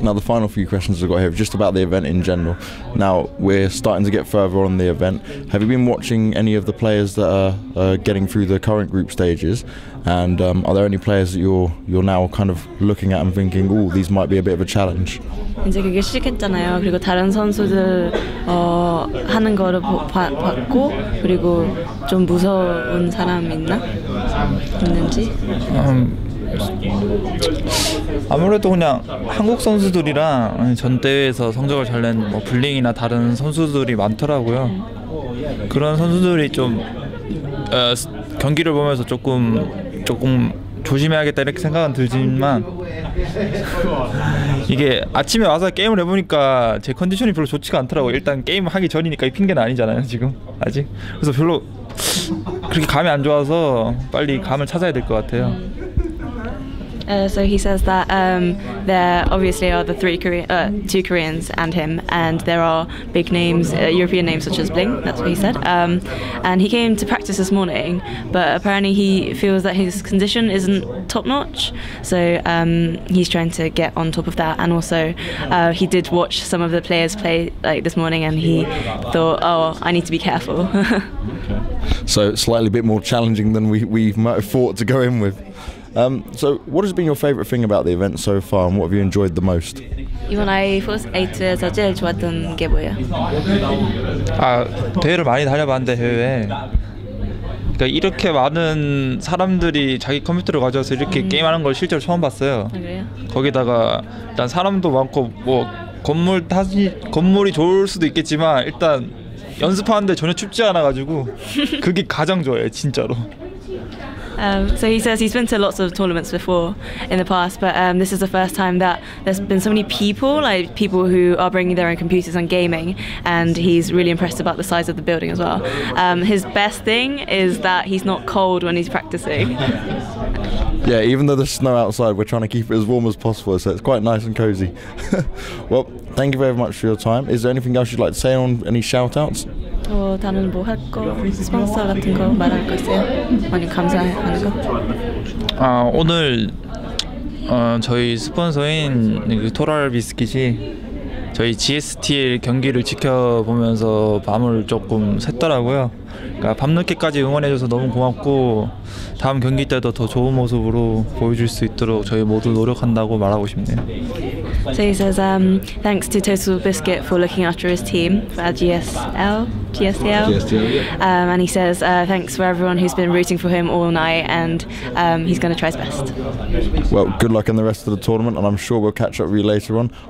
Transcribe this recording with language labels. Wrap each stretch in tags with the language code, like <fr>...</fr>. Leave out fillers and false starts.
<en>Now the final few questions I've got here, just about the event in general. Now we're starting to get further on the event. Have you been watching any of the players that are getting through the current group stages? And are there any players that you're now kind of looking at and thinking, oh, these might be a bit of a challenge?</en> <ko>이제 그게 시작했잖아요. 그리고 다른 선수들 하는 거를 봤고 그리고 좀 무서운 사람 있나 있는지. 아무래도 그냥 한국 선수들이랑 전 대회에서 성적을 잘 낸 뭐 블링이나 다른 선수들이 많더라고요. 그런 선수들이 좀 경기를 보면서 조금 조심해야겠다 이렇게 생각은 들지만 이게 아침에 와서 게임을 해보니까 제 컨디션이 별로 좋지가 않더라고요. 일단 게임 하기 전이니까 이 핑계는 아니잖아요, 지금 아직. 그래서 별로 그렇게 감이 안 좋아서 빨리 감을 찾아야 될 것 같아요.</ko> <en>So he says that there obviously are the two Koreans and him, and there are big names, European names such as Bling, that's what he said. And he came to practice this morning, but apparently he feels that his condition isn't top-notch, so he's trying to get on top of that. And also he did watch some of the players play like this morning, and he thought, oh, I need to be careful. Okay. So slightly bit more challenging than we might have thought to go in with. So what has been your favorite thing about the event so far, and what have you enjoyed the most?</en> <ko>이번 I4S8에서 제일 좋았던 게 뭐예요? 아, 대회를 많이 다녀봤는데 해외에. 그러니까 이렇게 많은 사람들이 자기 컴퓨터를 가져와서 이렇게 게임하는 걸 실제로 처음 봤어요. 그래요? 거기다가 일단 사람도 많고 뭐 건물이 좋을 수도 있겠지만 일단 연습하는데 전혀 춥지 않아 가지고 그게 가장 좋아요, 진짜로.</ko> <en>So he says he's been to lots of tournaments before in the past, but this is the first time that there's been so many people, like people who are bringing their own computers and gaming, and he's really impressed about the size of the building as well. His best thing is that he's not cold when he's practicing. Yeah, even though there's snow outside, we're trying to keep it as warm as possible, so it's quite nice and cozy. Well, thank you very much for your time. Is there anything else you'd like to say on any shout-outs?</en> <ko>다른 뭐 할 거, 스폰서 같은 거 말할 거 있어요? 많이 감사하는 거? 아, 오늘 저희 스폰서인 토랄 비스킷이 저희 GSTL 경기를 지켜보면서 밤을 조금 샜더라고요. 그러니까 밤늦게까지 응원해줘서 너무 고맙고 다음 경기 때도 더 좋은 모습으로 보여줄 수 있도록 저희 모두 노력한다고 말하고 싶네요.</ko> <en>So he says thanks to Total Biscuit for looking after his team at GSTL. And he says thanks for everyone who's been rooting for him all night, and he's going to try his best. Well, good luck in the rest of the tournament, and I'm sure we'll catch up with you later on.</en>